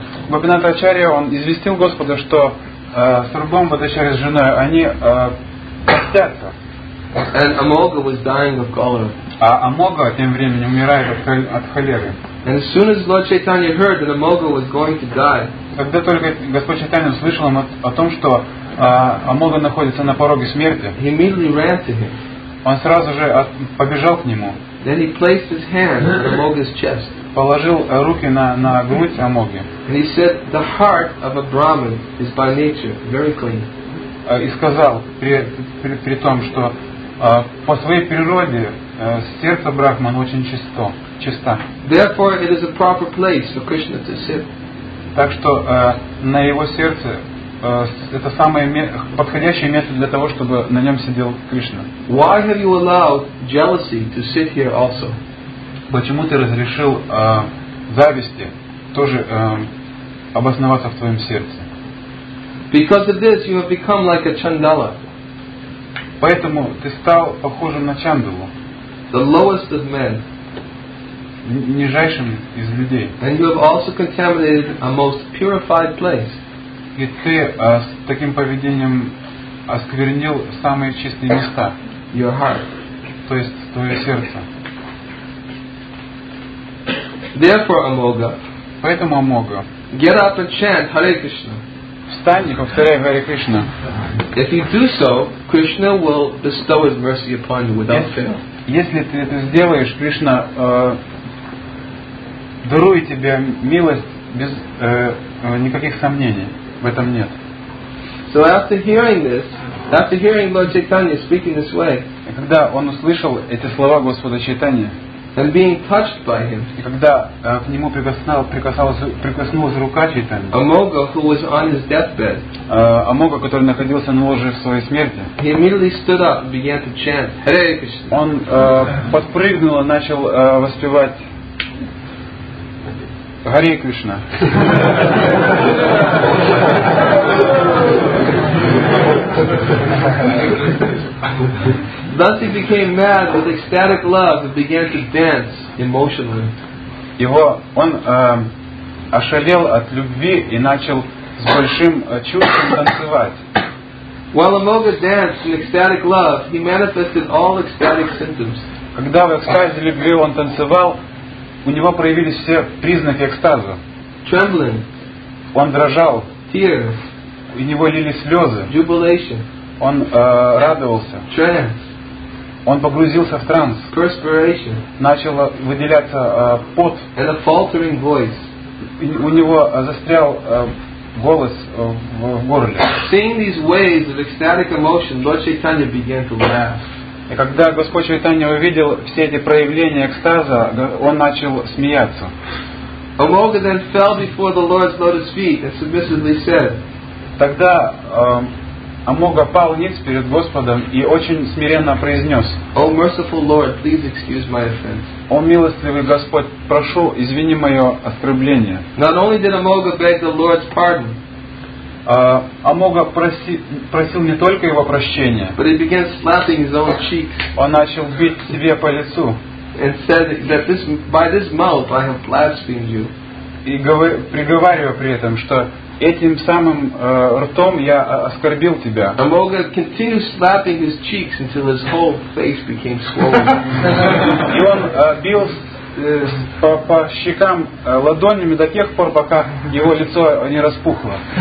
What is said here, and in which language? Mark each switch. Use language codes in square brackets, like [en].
[ru] Gopinath Acharya, он известил Господа, что Сарвабхаума Бхаттачарья с женой, они постятся. [en] And Amoga was dying of cholera. [ru] А Амога тем временем умирает от холеры. [en] And as soon as Lord Chaitanya heard that Amoga was going to die, [ru] когда только Господь Чайтанья услышал о том, что Амога находится на пороге смерти, [en] he immediately ran to him. [ru] Он сразу же побежал к нему. [en] Then he placed his hand on Amoga's chest. [ru] Положил руки на грудь Амоги. [en] And he said, the heart of a Brahmin is by nature very clean. [ru] И сказал при том, что по своей природе сердце Брахмана очень чисто, чисто. [en] Therefore, it is a proper place for Krishna to sit. [ru] Так что на его сердце это самое подходящее место для того, чтобы на нем сидел Кришна. [en] Why have you allowed jealousy to sit here also? [ru] Почему ты разрешил зависти тоже обосноваться в твоем сердце? [en] Because of this, you have become like a chandala. [ru] Поэтому ты стал похожим на чандалу. [en] The lowest of men. [ru] Нижайшим из людей. [en] And you have also contaminated a most purified place. [ru] И ты с таким поведением осквернил самые чистые места. [en] Your heart. [ru] То есть твое сердце. [en] Therefore, Amoga. [ru] Поэтому, Амога. [en] Get up and chant Hare Krishna. [ru] Встань и повторяй Hare Krishna. [en] If you do so, Krishna will bestow his mercy upon you without fail. [ru] Если ты это сделаешь, Кришна дарует тебе милость без никаких сомнений. В этом нет. [en] So after hearing this, after hearing Lord Chaitanya speaking this way, [ru] когда он услышал эти слова Господа Чайтанья, [en] and being touched by him, [ru] и когда к нему прикоснулась рука Чайтанья, [en] Amoga, who was on his deathbed, [ru] Амога, который находился на ложе в своей смерти, [en] he immediately stood up and began to chant, Hare Krishna. [ru] Он подпрыгнул и начал воспевать Hare Krishna. [en] Thus he became mad with ecstatic love and began to dance emotionally. [ru] Его он ошалел от любви и начал с большим чувством танцевать. [en] While Amoga danced in ecstatic love, he manifested all ecstatic symptoms. [ru] Когда в экстазе любви он танцевал, у него проявились все признаки экстаза. [en] Trembling. [ru] Он дрожал. [en] Tears. [ru] У него лились слезы. [en] Jubilation. [ru] Он радовался. [en] Trance. [ru] Он погрузился в транс. [en] Perspiration. [ru] Начал выделяться пот. [en] And a faltering voice. [ru] У него застрял голос в горле. [en] Seeing these waves of ecstatic emotion, Lord Chaitanya began to laugh. [ru] И когда Господь Чайтанья увидел все эти проявления экстаза, он начал смеяться. [en] Amoga then fell before the Lord's lotus feet and submissively said. [ru] Тогда Амога пал ниц перед Господом и очень смиренно произнес. [en] O merciful Lord, please excuse my offense. [ru] О милостивый Господь, прошу, извини мое оскорбление. [en] Not only did Amoga beg the Lord's pardon. [ru] Амога просил не только его прощения. [en] But he began slapping his own cheeks. [ru] Он начал бить себе по лицу. [en] And said that by this mouth I have blasphemed you. [ru] и приговаривая при этом, что этим самым ртом я оскорбил тебя. [en] The Moga continued slapping his cheeks until his whole face became swollen. [ru] И он бил по щекам ладонями до тех пор, пока его лицо не распухло.